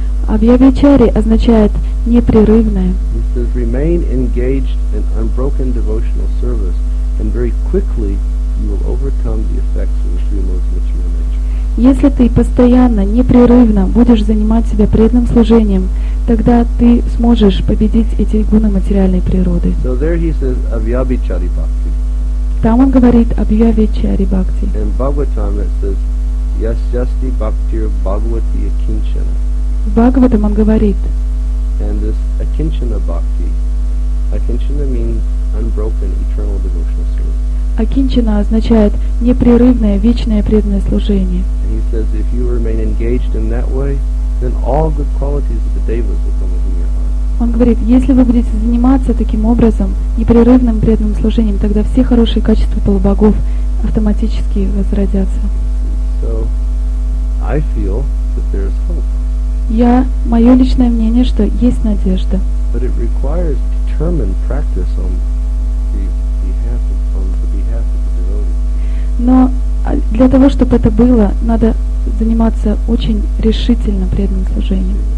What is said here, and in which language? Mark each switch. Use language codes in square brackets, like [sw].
[ru] Абхьявичари означает непрерывное. [en] He says, remain engaged in unbroken devotional service, and very quickly you will overcome the effects of the three modes of material nature. [ru] Если ты постоянно, непрерывно будешь занимать себя преданным служением, тогда ты сможешь победить эти гуны материальной природы. [en] So there he says, Абхьявичари бхакти. [ru] Там он говорит Абхьявичари [sa] бхакти. [en] In Bhagavatam it says, [sa] Ясьясти бхактир бхагавати акинчана. [ru] В Бхагаватам он говорит. [en] And this akinchana bhakti. Akinchana means unbroken eternal devotional service. [ru] Akinchana означает непрерывное вечное преданное служение. [en] And he says if you remain engaged in that way, then all good qualities of the devas will come within your heart. [ru] Он говорит, если вы будете заниматься таким образом, непрерывным преданным служением, тогда все хорошие качества полубогов автоматически возродятся. [en] So I feel that there is hope. [ru] Я, мое личное мнение, что есть надежда. [en] But it requires determined practice on behalf of, on the behalf of the devotee. [ru] Но для того, чтобы это было, надо заниматься очень решительно преданным служением.